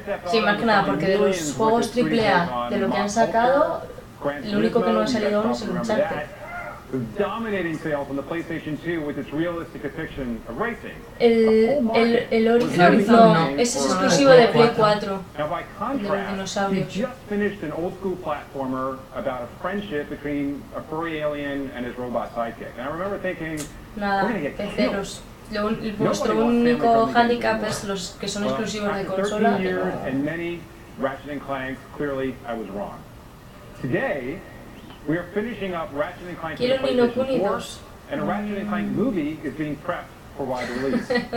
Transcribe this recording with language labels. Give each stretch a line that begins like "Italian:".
Spanish: Sí, más que nada, porque de los juegos AAA de lo que han sacado, lo único que no ha salido aún es el Charter.
English: Dominating sales on the PlayStation 2 with its realistic depiction of racing.
Spanish: El Horizon, no, ese es exclusivo de Play 4.
English: Now by contrast, we just finished an old school platformer about a friendship between a furry alien and his robot sidekick. And I remember thinking,
Spanish: vuestro único handicap es los que son exclusivos de consola.
English: After 13 years and many Ratchet and Clank, clearly I was wrong. Today. We are finishing up Ratchet and Clank
Spanish: Quiero Ni No Kuni 2.
English: And a Ratchet and Clank movie is being prepped for wide release.